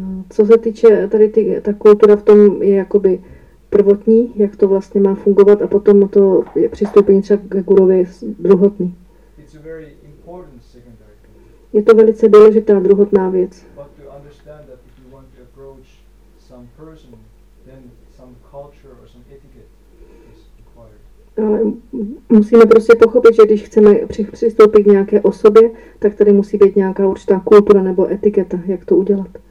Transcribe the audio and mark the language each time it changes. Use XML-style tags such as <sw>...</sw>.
<cs>Co se týče tady ta kultura v tom je jakoby prvotní, jak to vlastně má fungovat a potom to je přistoupení třeba k guruvi druhotný.</cs> <en>It's a very important secondary.</en> <cs>Je to velice důležitá druhotná věc.</cs> <en>But to understand that if you want to approach some person, then some culture or some etiquette is required.</en> <cs>Ale musíme prostě pochopit, že když chceme přistoupit k nějaké osobě, tak tady musí být nějaká určitá kultura nebo etiketa, jak to udělat.</cs>